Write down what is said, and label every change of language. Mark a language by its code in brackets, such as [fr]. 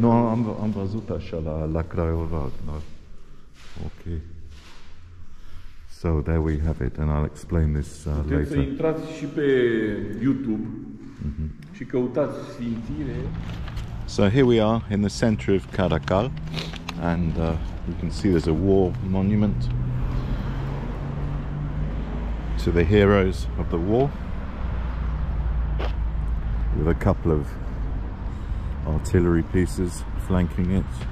[ro] Nu, am văzut așa la Craiova. Ok. [en] So, there we have it, and I'll explain this later. [ro] Puteți să intrați și pe YouTube, mm-hmm, și căutați Sfințire. [en] So, here we are in the center of Caracal, and you can see there's a war monument to the heroes of the war, with a couple of artillery pieces flanking it.